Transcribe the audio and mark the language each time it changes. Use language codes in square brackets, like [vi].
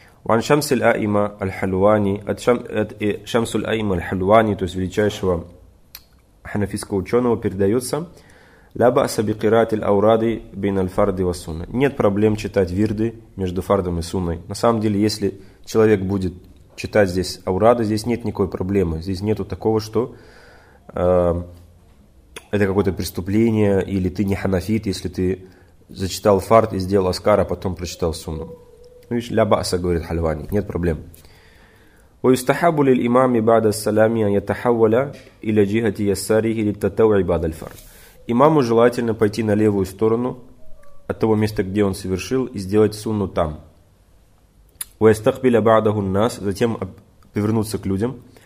[ar] وعن شمس الأئمة الحلواني شمس الأئمة الحلواني, [ru] то есть величайшего ханафийского ученого, передается [ar] Ля баса би кираат иль аурады бейн аль фарды ва сунна. [ru] Нет проблем читать вирды между фардом и сунной. На самом деле, если человек будет читать здесь аурады, здесь нет никакой проблемы. Здесь нету такого, что это какое-то преступление, или ты не ханафит, если ты зачитал фард и сделал аскар, а потом прочитал сунну. Ну, видишь, [ar] ля баса, [ru] говорит Хальвани, нет проблем. [ar] ويستحب للإمام بعد السلام أن يتحول إلى جهة يساره للتطوع بعد الفرض. [ru] Имаму желательно пойти на левую сторону от того места, где он совершил, и сделать сунну там. [ar] ويستقبل بعده الناس, [ru] затем повернуться к людям.